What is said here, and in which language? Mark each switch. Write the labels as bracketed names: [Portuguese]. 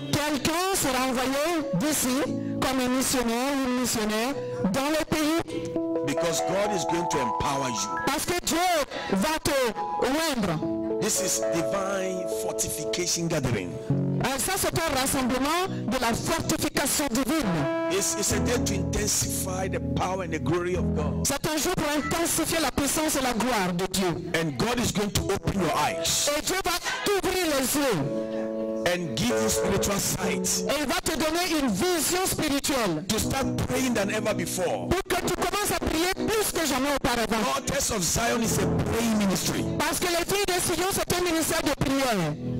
[French] Quelqu'un sera envoyé d'ici comme un missionnaire ou une missionnaire dans le pays. [English] Because God is going to empower you. [French] Parce que Dieu va te rendre. [English] This is divine fortification gathering. [French] Ça c'est un rassemblement de la fortification divine. [English] It's a day to intensify the power and the glory of God. [French] C'est un jour pour intensifier la puissance et la gloire de Dieu. [English] And God is going to open your eyes. [French] Et Dieu va t'ouvrir les yeux. [English] And give you spiritual sight. [French] Et il va te donner une vision spirituelle. [English] To start praying than ever before. [French] Pour que tu commences à prier plus que jamais auparavant. [English] The altars of Zion is a praying ministry. [French] Parce que les filles de Sion c'est un ministère de prière.